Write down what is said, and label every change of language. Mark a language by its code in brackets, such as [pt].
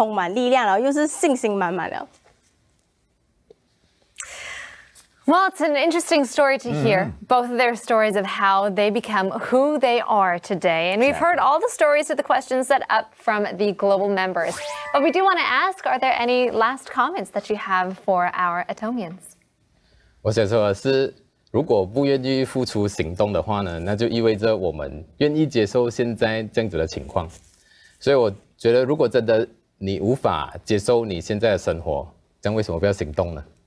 [zh] 看完之后，每次都让我充满力量，然后又是信心满满的。 [en] Well, it's an interesting story to hear, both of their stories of how they become who they are today. And we've heard all the stories of the questions set up from the global members. But we do want to ask, are there any last comments that you have for our Atomians? [zh] 我想说的是，如果不愿意付出行动的话呢，那就意味着我们愿意接受现在这样子的情况。所以我觉得，如果真的你无法接受你现在的生活，这样为什么不要行动呢？